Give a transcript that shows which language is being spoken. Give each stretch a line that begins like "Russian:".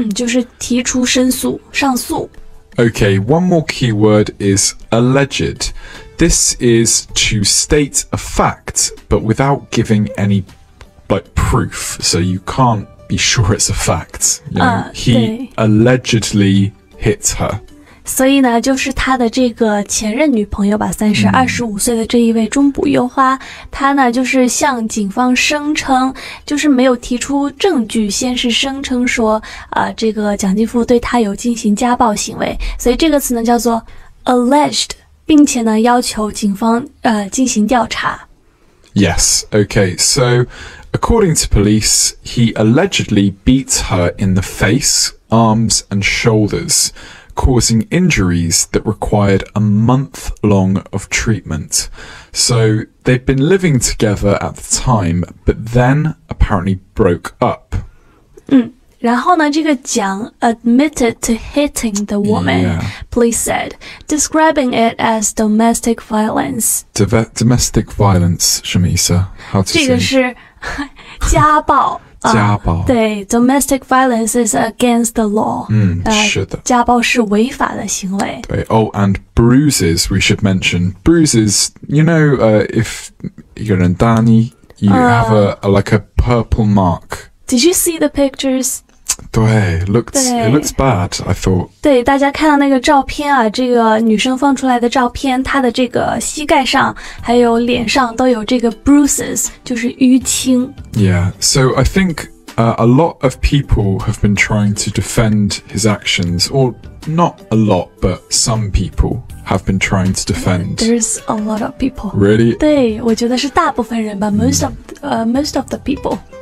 Chinese: 就是提出申诉、上诉。
English: Okay, one more key word is alleged. This is to state a fact, but without giving any, like, proof. So you can't be sure it's a fact. You know, he allegedly hit her.
Chinese: 所以呢就是他的这个前任女朋友吧算是25岁的这一位中不优花他呢就是向警方声称就是没有提出证据先是声称说这个蒋劲夫对他有进行家暴行为所以这个词呢叫做 alleged, 并且呢要求警方进行调查。
English: Yes, okay, so according to police, he allegedly beat her in the face, arms and shoulders, causing injuries that required a month long of treatment. So they'd been living together at the time, but then apparently broke up.
Chinese: 然后呢，这个蒋
English: admitted to hitting the woman,、yeah. police said, describing it as domestic violence. Domestic violence,
Chinese: 什么意思？
English: How to
Chinese: 这个是家暴。家暴、对
English: domestic violence is against the law.
Chinese: 是的。家暴是违法的行为。对
English: oh, and bruises, we should mention. Bruises, you know,、if you're in Dani, you、have a, like a purple mark. Did you see the pictures?
Chinese: 对
English: it looks bad, I thought.
Chinese: 对大家看到那个照片啊这个女生放出来的照片她的这个膝盖上还有脸上都有这个 bruises, 就是淤青。
English: Yeah, so I think、a lot of people have been trying to defend his actions, or not a lot, but some people have been trying to defend. There's a lot of people. Really?
Chinese: 对我觉得是大部分人吧、
English: most of the people.